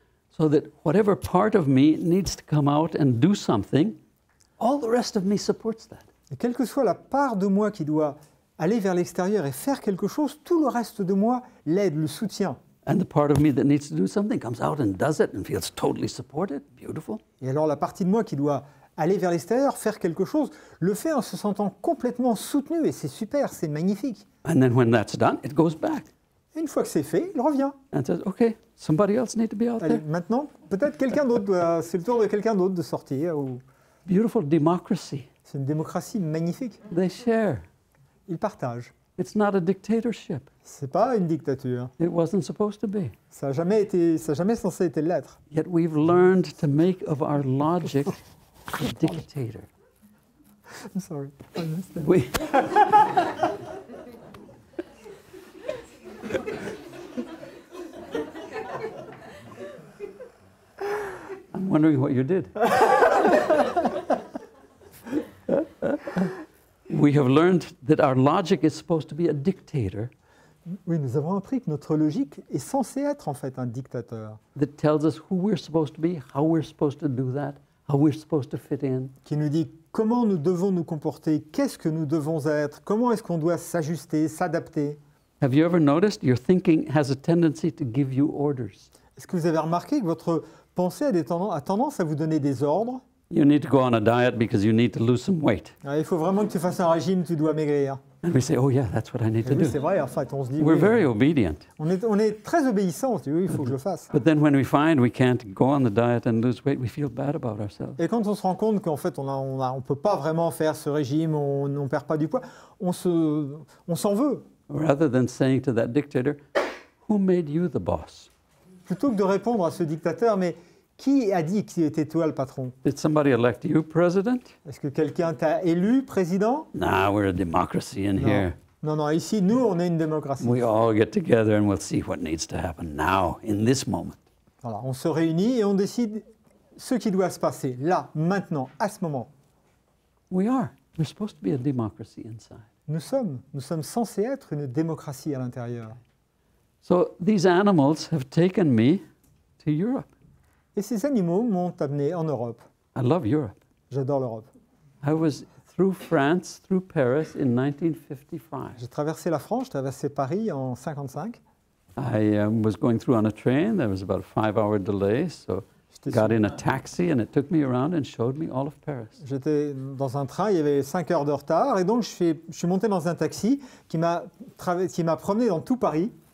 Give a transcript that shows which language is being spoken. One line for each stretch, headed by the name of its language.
English: So that whatever part of me needs to come out and do something, all the rest of me supports that.
French: Et quelle que soit la part de moi qui doit aller vers l'extérieur et faire quelque chose, tout le reste de moi l'aide, le soutient.
English: And the part of me that needs to do something comes out and does it and feels totally supported. Beautiful.
French: Et alors la partie de moi qui doit aller vers l'extérieur, faire quelque chose, le fait en se sentant complètement soutenu et c'est super, c'est magnifique.
English: And then when that's done, it goes back.
French: Et une fois que c'est fait, il revient.
English: And says, okay, somebody else needs to be out there.
French: Allez, maintenant, peut-être quelqu'un d'autre, c'est le tour de quelqu'un d'autre de sortir. Ou...
English: Beautiful democracy.
French: C'est une démocratie magnifique.
English: They share.
French: Ils partagent.
English: It's not a dictatorship.
French: C'est pas une dictature.
English: It wasn't supposed to be.
French: Ça a jamais été, ça a jamais censé être l'être.
English: Yet we've learned to make of our logic a dictator. I'm sorry. We. I'm wondering what you did. We have learned that our logic is supposed to be a dictator.
French: Oui, nous avons appris que notre logique est censée être en fait un dictateur.
English: That tells us who we're supposed to be, how we're supposed to do that, how we're supposed to fit in.
French: Qui nous dit comment nous devons nous comporter, qu'est-ce que nous devons être, comment est-ce qu'on doit s'ajuster, s'adapter.
English: Have you ever noticed your thinking has a tendency to give you orders?
French: Est-ce que vous avez remarqué que votre pensée a tendance à vous donner des ordres?
English: You need to go on a diet because you need to lose some weight.
French: Il faut vraiment que tu fasses un régime, tu dois maigrir.
English: And we say, oh yeah, that's what I need
French: et
English: to
French: oui,
English: do.
French: C'est vrai, en fait, on se dit,
English: we're
French: oui,
English: very obedient.
French: On est très obéissant, oui, il faut que je le fasse.
English: But then when we find we can't go on the diet and lose weight, we feel bad about ourselves.
French: Et quand on se rend compte qu'en fait on peut pas vraiment faire ce régime, on perd pas du poids, on s'en veut.
English: Rather than saying to that dictator, who made you the boss?
French: Plutôt que de répondre à ce dictateur, mais qui a dit que c'était toi le patron?
English: Did somebody elect you president?
French: Est-ce que quelqu'un t'a élu président?
English: Nah, we're a democracy in here.
French: Non, non, ici, nous, on est une démocratie.
English: We all get together and we'll see what needs to happen now, in this moment.
French: Voilà, on se réunit et on décide ce qui doit se passer, là, maintenant, à ce moment.
English: We are. We're supposed to be a democracy inside.
French: Nous sommes censés être une démocratie à l'intérieur.
English: So these animals have taken me to Europe.
French: Et ces animaux m'ont amené en Europe.
English: I love Europe.
French: J'adore l'Europe.
English: I was through France, through Paris in 1955.
French: J'ai traversé la France, j'ai traversé Paris en 55.
English: I was going through on a train. There was about a 5-hour delay, so I got in a taxi and it took me around and showed me all of Paris.
French: J'étais dans un train, il y avait 5 heures de retard, et donc je suis monté dans un taxi qui m'a promené dans tout Paris.